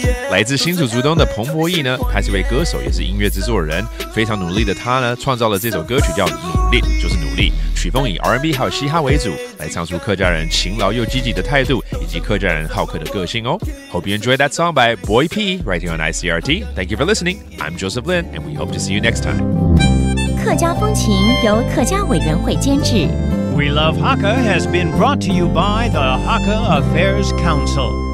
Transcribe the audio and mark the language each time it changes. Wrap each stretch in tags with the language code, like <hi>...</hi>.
<zh>来自新竹竹东的彭柏邑呢，他是位歌手，也是音乐制作人。非常努力的他呢，创造了这首歌曲叫《努力》，就是努力。曲风以 R&B 还有嘻哈为主，来唱出客家人勤劳又积极的态度，以及客家人好客的个性哦。</zh> <en>Hope you enjoy that song by Boiii P, right here on ICRT. Thank you for listening. I'm Joseph Lin, and we hope to see you next time.</en> <zh>客家风情由客家委员会监制。</zh> <en>We Love Hakka has been brought to you by the Hakka Affairs Council.</en>